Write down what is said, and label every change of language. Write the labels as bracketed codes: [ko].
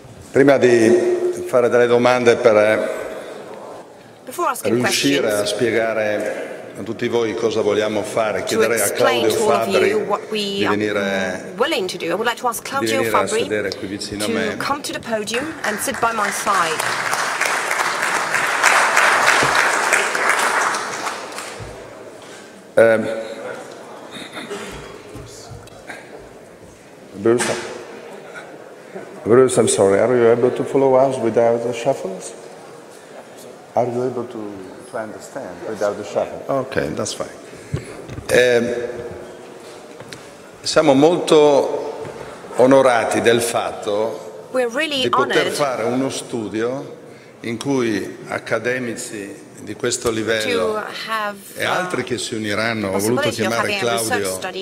[it] Prima di fare delle domande per riuscire a spiegare a tutti voi cosa vogliamo fare, chiederei a Claudio Fabbri di venire a sedere qui vicino a me. [en] Come to the podium and sit by my side. Bruce, I'm sorry, are you able to follow us without the shuffles? Are you able to understand without the shuffle? Okay, that's fine. [it] Siamo molto onorati del fatto di poter fare uno studio in cui accademici di questo livello e altri che si uniranno, ho voluto chiamare Claudio